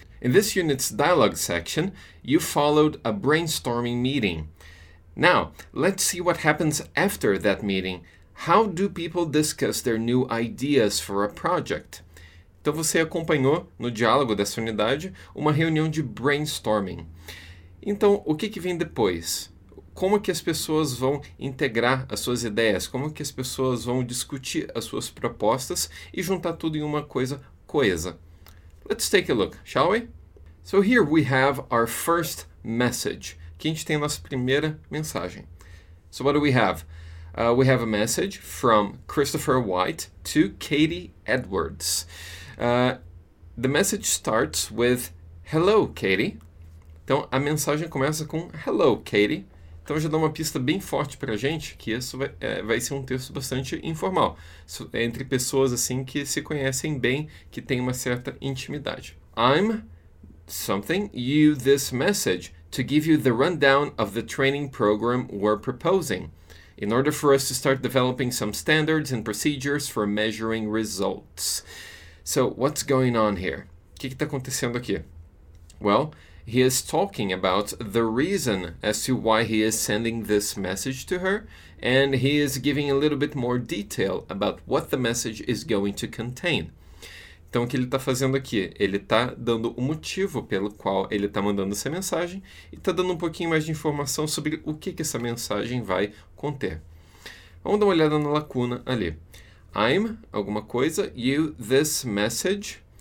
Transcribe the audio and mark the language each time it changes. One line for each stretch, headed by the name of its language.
English: In this unit's dialogue section, you followed a brainstorming meeting. Now, let's see what happens after that meeting. How do people discuss their new ideas for a project?
Portuguese: Então você acompanhou no diálogo dessa unidade uma reunião de brainstorming. Então, o que vem depois? Como que as pessoas vão integrar as suas ideias? Como que as pessoas vão discutir as suas propostas e juntar tudo em uma coisa coesa?
English: Let's take a look, shall we? So here we have our first message.
Portuguese: Aqui a gente tem a nossa primeira mensagem.
English: So what do we have? We have a message from Christopher White to Katie Edwards. The message starts with, "Hello, Katie."
Portuguese: Então a mensagem começa com,
English: "Hello, Katie."
Portuguese: Então já dá uma pista bem forte pra gente que isso vai ser um texto bastante informal. Entre pessoas assim que se conhecem bem, que tem uma certa intimidade.
English: I'm something you this message to give you the rundown of the training program we're proposing in order for us to start developing some standards and procedures for measuring results. So what's going on here?
Portuguese: O que tá acontecendo aqui?
English: Well, he is talking about the reason as to why he is sending this message to her, and he is giving a little bit more detail about what the message is going to contain.
Portuguese: Então, o que ele está fazendo aqui? Ele está dando o motivo pelo qual ele está mandando essa mensagem e está dando um pouquinho mais de informação sobre o que essa mensagem vai conter. Vamos dar uma olhada na lacuna ali. I'm, alguma coisa,
English: you, this message.